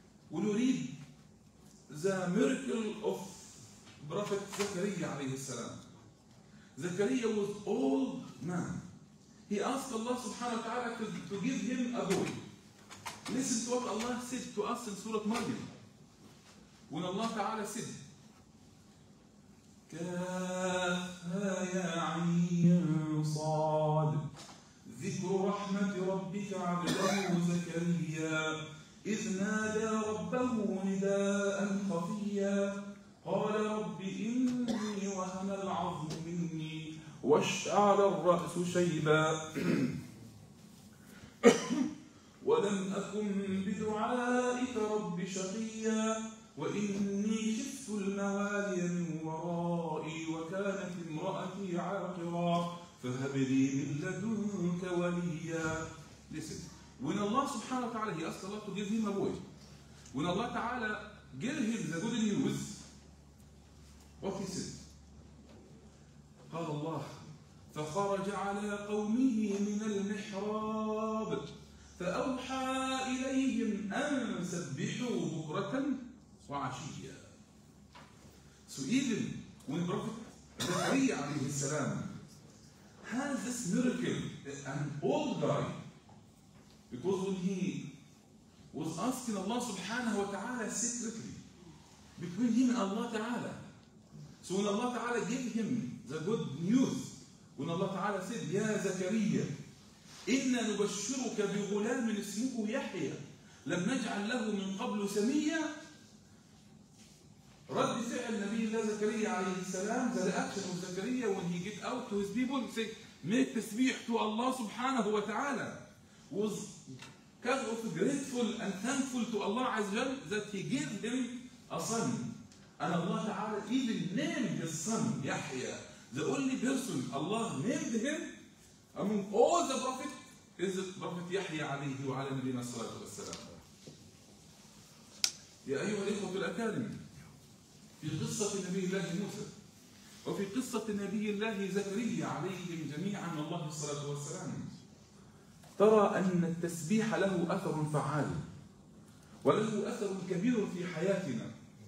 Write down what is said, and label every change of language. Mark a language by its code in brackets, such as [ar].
[en] When you read the miracle of Prophet Zakariya alayhi salam, Zakariya was old man. He asked Allah subhanahu wa ta'ala to give him a boy. Listen to what Allah said to us in Surah Maryam. When Allah ta'ala said, [ar] كَافَ يَا عَيْنُ صَادِ ذِكْرُ رَحْمَةِ رَبِّكَ عَبْدَهُ زَكَرِيَّا إِذْ نَادَى رَبَّهُ نِدَاءً خَفِيًّا قال رب إني وهن العظم مني واشتعل الرأس شيبا ولم أكن بدعائك رب شقيا وإني خفت الموالي من ورائي وكانت امرأتي عاقرا فهب لي من لدنك وليا. [en] Listen. When Allah subhanahu wa ta'ala, He asked Allah to give him a boy. When Allah ta'ala gave him the good news, what he said? [ar] قال الله فخرج على قومه من المحراب فأوحى إليهم أن سبحوا بكرة وعشية. [en] So even when Prophet Zakaria عليه السلام had this miracle, an old guy, because when he was asking Allah subhanahu wa ta'ala secretly, between him and Allah ta'ala. So when Allah ta'ala gave him the good news, when Allah ta'ala said, [ar] يا زكريا, إنا نبشرك بغلام اسمه يحيى, لم نجعل له من قبل سميا, رد فعل نبي الله زكريا عليه السلام, [en] the reaction of زكريا when he get out to his people, say, make تسبيح to Allah subhanahu wa ta'ala, was kind of grateful and thankful to Allah عز وجل that he gave him a son. And Allah ta'ala even named his son Yahya. The only person Allah named him among all the prophets is the prophet Yahya [ar] عليه وعلى نبينا الصلاة والسلام. يا أيها الإخوة الأكارم, في قصة نبي الله موسى وفي قصة نبي الله زكريا عليهم جميعا الله الصلاة والسلام, ترى أن التسبيح له أثر فعال وله أثر كبير في حياتنا.